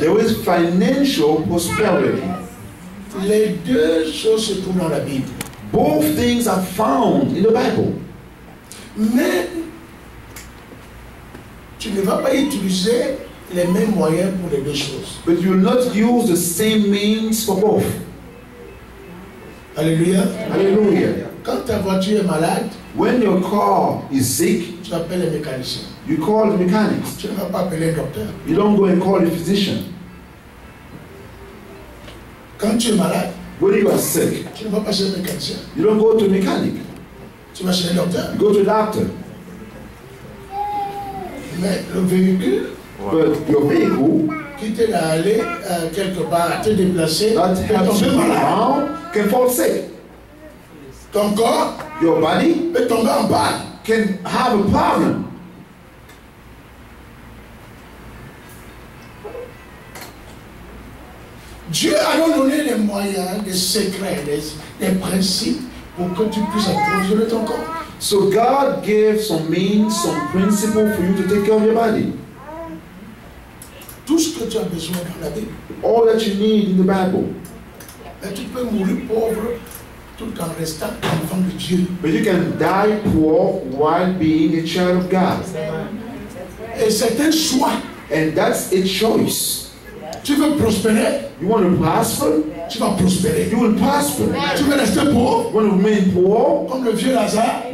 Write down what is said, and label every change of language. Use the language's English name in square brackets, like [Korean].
[English] There is financial prosperity. [French] Les deux choses se trouvent dans la Bible. [English] Both things are found in the Bible. [French] Mais tu ne vas pas utiliser les mêmes moyens pour les deux choses. [English] But you will not use the same means for both. Alléluia. Alléluia. [French] Quand ta voiture est malade, [English] when your car is sick, [French] tu appelles les mécaniciens. [English] You call the mechanics. [French] Tu ne vas pas appeler un docteur. [English] You don't go and call a physician. [French] Quand tu es malade, [English] when you are sick, [French] tu ne vas pas chez le mécanicien. [English] You don't go to a mechanic. [French] Tu vas chez le docteur. [English] You go to a doctor. [French] Mais le véhicule, [English] but your vehicle, [French] qui t'est allé quelque part, à te déplacer, [English] that helps you around, can fall sick. [French] Ton corps, [English] your body, [French] peut tomber en panne, [English] can have a problem. [French] Dieu a donné les moyens, les secrets, les principes pour que tu puisses contrôler ton corps. [English] So God gave some means, some principles for you to take care of your body. [French] Tout ce que tu as besoin dans la Bible. [English] All that you need in the Bible. [French] Mais tu peux mourir pauvre tout en restant enfant de Dieu. [English] But you can die poor while being a child of God. [French] Et c'est un choix. [English] And that's a choice. [French] Tu veux prospérer? [English] You want to prosper? [French] Tu vas prospérer. [English] You will prosper. [French] Tu veux rester pauvre? [English] You want to remain poor? [French] Comme le vieux Lazare.